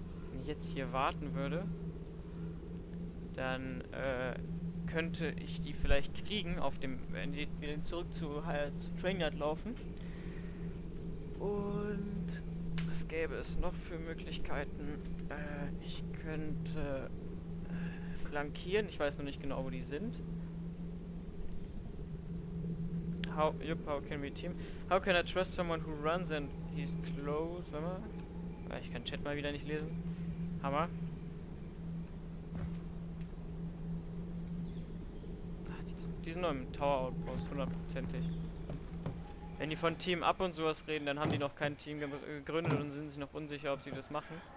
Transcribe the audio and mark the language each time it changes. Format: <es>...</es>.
<de>Wenn ich jetzt hier warten würde, dann könnte ich die vielleicht kriegen, wenn wir den zurück zu Trainyard laufen. Und was gäbe es noch für Möglichkeiten? Ich könnte flankieren, ich weiß noch nicht genau, wo die sind.</de> <en>How can we team? How can I trust someone who runs and he's close?</en> <de>Warte mal. Ich kann Chat mal wieder nicht lesen. Hammer. Ach, die sind noch im Tower Outpost, hundertprozentig. Wenn die von Team Up und sowas reden, dann haben die noch kein Team gegründet und sind sich noch unsicher, ob sie das machen.</de>